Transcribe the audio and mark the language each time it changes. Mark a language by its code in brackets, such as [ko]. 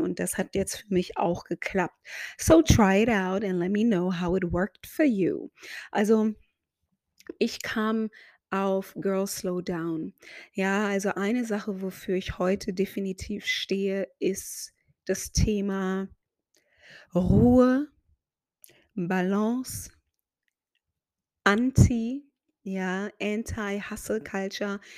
[de] Und das hat jetzt für mich auch geklappt. [en] So try it out and let me know how it worked for you. [de] Also ich kam auf Girl Slow Down. Ja, also eine Sache, wofür ich heute definitiv stehe, ist das Thema Ruhe, Balance, Anti-Hustle-Culture.